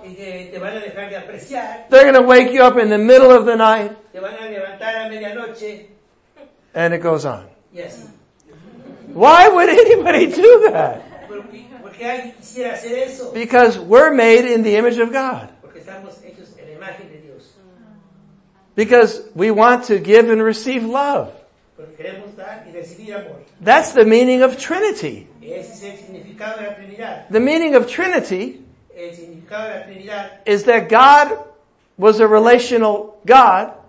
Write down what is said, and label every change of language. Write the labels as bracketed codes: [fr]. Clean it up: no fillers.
[es] Te van a dejar de apreciar. [en] They're going to wake you up in the middle of the night. [es] Te van a levantar a medianoche. [en] And it goes on. Yes. Why would anybody do that? [es] Porque alguien quisiera hacer eso. [en] Because we're made in the image of God. [es] Porque estamos hechos en la imagen de Dios. [en] Because we want to give and receive love. [es] Porque queremos dar y recibir amor. [en] That's the meaning of Trinity. The meaning of Trinity is that God was a relational God,